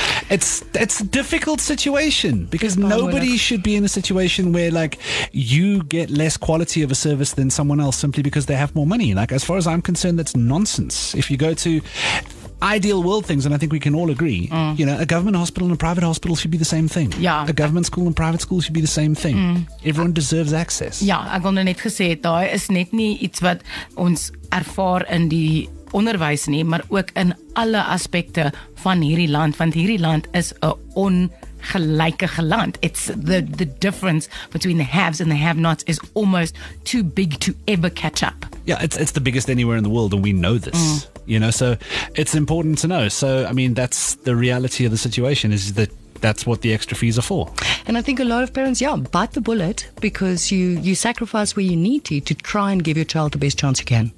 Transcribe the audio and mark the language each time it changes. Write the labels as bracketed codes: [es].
[en] It's a difficult situation because nobody should be in a situation where like you get less quality of a service than someone else simply because they have more money. Like, as far as I'm concerned, that's nonsense. If you go to ideal world things, and I think we can all agree, you know, a government hospital and a private hospital should be the same thing. Yeah. A government school and private school should be the same thing. Mm. Everyone deserves access. [af] Ja, ek het net gesê, daai is net nie iets wat ons ervaar in die onderwys nie, maar ook in alle aspekte van hierdie land, want hierdie land is 'n ongelyke land. [en] It's the difference between the haves and the have-nots is almost too big to ever catch up. Yeah, it's the biggest anywhere in the world, and we know this. You know, so it's important to know. So, I mean, that's the reality of the situation, is that that's what the extra fees are for. And I think a lot of parents, yeah, bite the bullet because you sacrifice where you need to try and give your child the best chance you can.